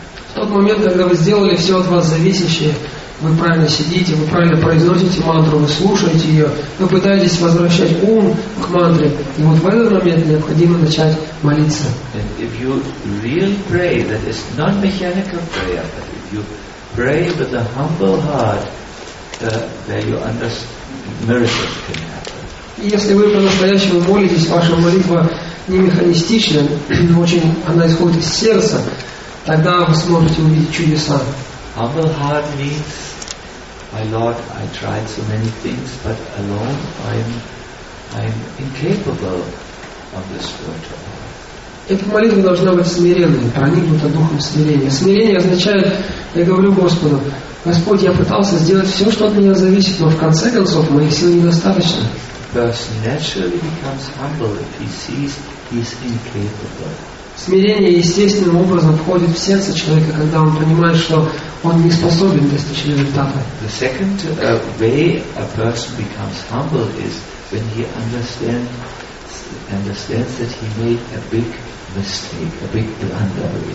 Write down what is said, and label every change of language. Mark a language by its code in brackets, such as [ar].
[ru] В тот момент, когда вы сделали все от вас зависящее, вы правильно сидите, вы правильно произносите мантру, вы слушаете ее, вы пытаетесь возвращать ум к мантре, и вот в этот момент необходимо начать молиться. [en] And if you really pray, that is not mechanical prayer, but if you pray with a humble heart, then you understand miracles can happen. [ru] Если вы по-настоящему молитесь, ваша молитва не механистична, но очень она исходит из сердца, тогда вы сможете увидеть чудеса. [en] Humble heart means, my Lord, I tried so many things, but alone I'm incapable of this spiritual life. [ru] Эта молитва должна быть смиренной, проникнута духом смирения. Смирение означает, я говорю Господу, Господь, я пытался сделать все, что от меня зависит, но в конце концов моих сил недостаточно. [en] Person naturally becomes humble if he sees he's incapable. [ru] Смирение естественным образом входит в сердце человека, когда он понимает, что он не способен достичь результата. [en] The second way a person becomes humble is when he understands that he made a big mistake, a big blunder.